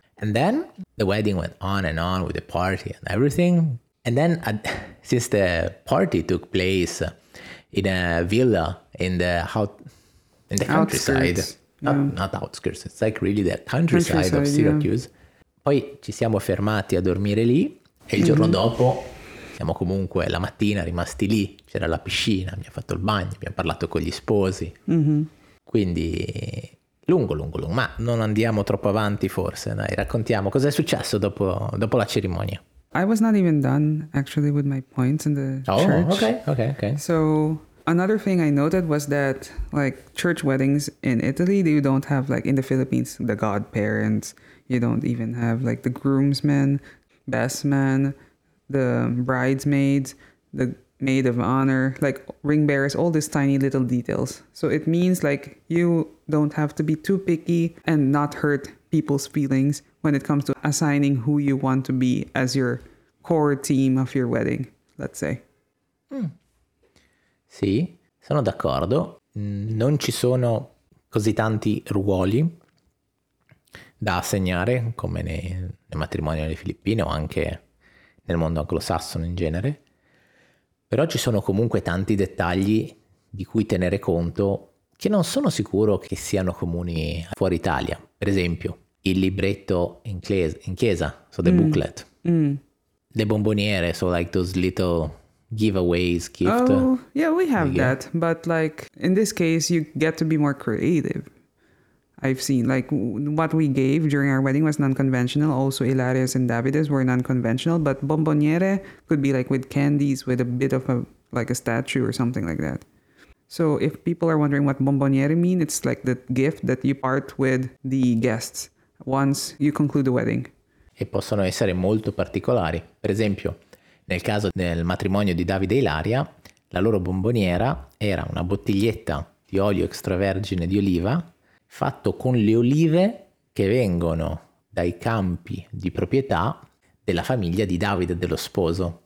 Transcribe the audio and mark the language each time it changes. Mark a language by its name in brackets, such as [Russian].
[English] And then the wedding went on and on with the party and everything. And then since the party took place in a villa in the in the countryside, not outskirts, it's like really the countryside of Syracuse. Yeah. [Italian] Poi ci siamo fermati a dormire lì e il giorno dopo siamo comunque la mattina rimasti lì, c'era la piscina, abbiamo fatto il bagno, abbiamo parlato con gli sposi. Quindi lungo, ma non andiamo troppo avanti forse, dai, raccontiamo cosa è successo dopo la cerimonia. [English] I was not even done actually with my points in the church. Okay. So another thing I noted was that like church weddings in Italy, you don't have like in the Philippines, the godparents, you don't even have like the groomsmen, best man, the bridesmaids, the maid of honor, like ring bearers, all these tiny little details. So it means like you don't have to be too picky and not hurt people's feelings when it comes to assigning who you want to be as your core team of your wedding, let's say. [Italian] Mm. Sì, sono d'accordo. Non ci sono così tanti ruoli da assegnare come nei matrimoni nelle Filippine o anche nel mondo anglosassone in genere. Però ci sono comunque tanti dettagli di cui tenere conto che non sono sicuro che siano comuni fuori Italia. Per esempio, il libretto in chiesa, [English] so the booklet. Mm. [Italian] Le bomboniere, [English] so like those little giveaways, gift. Oh, yeah, we have that. But like in this case, you get to be more creative. I've seen like what we gave during our wedding was non-conventional. Also, Hilarious and Davide's were non-conventional. But bomboniere could be like with candies, with a bit of a like a statue or something like that. So if people are wondering what bomboniere mean, it's like the gift that you part with the guests once you conclude the wedding. [Italian] E possono essere molto particolari. Per esempio, nel caso del matrimonio di Davide e Ilaria, la loro bomboniera era una bottiglietta di olio extravergine di oliva fatto con le olive che vengono dai campi di proprietà della famiglia di Davide, dello sposo.